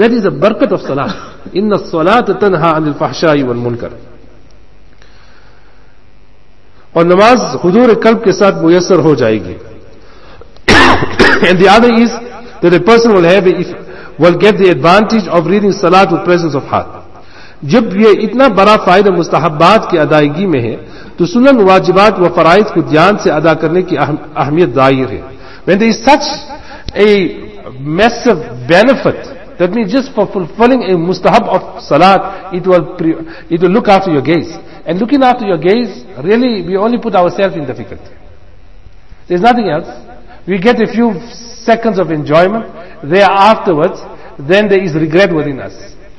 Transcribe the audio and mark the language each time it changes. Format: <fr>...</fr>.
<en>That is the barakat of salat.</en> <ar>Inna salata tanha anil fahshai wal munkar.</ar> <ur>Aur namaz hudur qalb ke sath muyassar ho jayegi.</ur> <en>And the other is that a person will have, if will get the advantage of reading salat with presence of heart.</en> <ur>جب یہ اتنا بڑا فائدہ مستحبات کی ادائیگی میں ہے تو سنن واجبات و فرائض کو دھیان سے ادا کرنے کی اہمیت ظاہر ہے.</ur> <en>When there is such a massive benefit, that means just for fulfilling a mustahab of salat, it will look after your gaze, And looking after your gaze, really, we only put ourselves in difficulty. There's nothing else. We get a few seconds of enjoyment. There afterwards, then there is regret within us.</en>